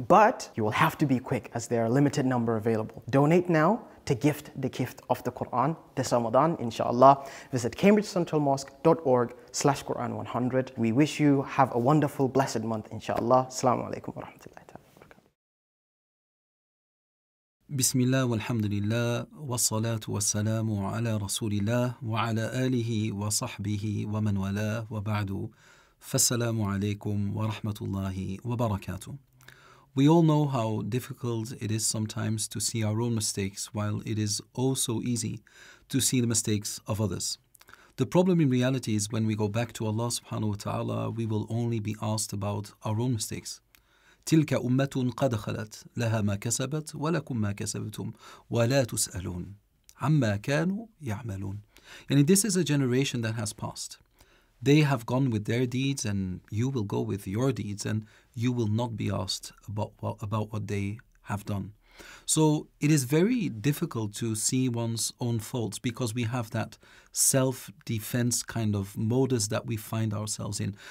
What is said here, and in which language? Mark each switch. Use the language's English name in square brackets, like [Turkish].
[English] But you will have to be quick as there are a limited number available. Donate now to gift the gift of the Quran this Ramadan, inshallah. Visit cambridgecentralmosque.org/Quran100. We wish you have a wonderful, blessed month, inshallah. Assalamu alaikum wa rahmatullah. [Arabic] بسم الله والحمد لله والصلاة والسلام على رسول الله وعلى آله وصحبه ومن والاه وبعد فالسلام عليكم ورحمة الله وبركاته. [English] We all know how difficult it is sometimes to see our own mistakes, while it is oh so easy to see the mistakes of others. The problem in reality is when we go back to Allah subhanahu wa ta'ala, we will only be asked about our own mistakes. [Arabic] تلك أمة قد خلت لها ما كسبت ولكم ما كسبتم ولا تسألون عما كانوا يعملون. يعني [English] this is a generation that has passed. They have gone with their deeds and you will go with your deeds, and you will not be asked about what they have done. So it is very difficult to see one's own faults because we have that self-defense kind of modus that we find ourselves in.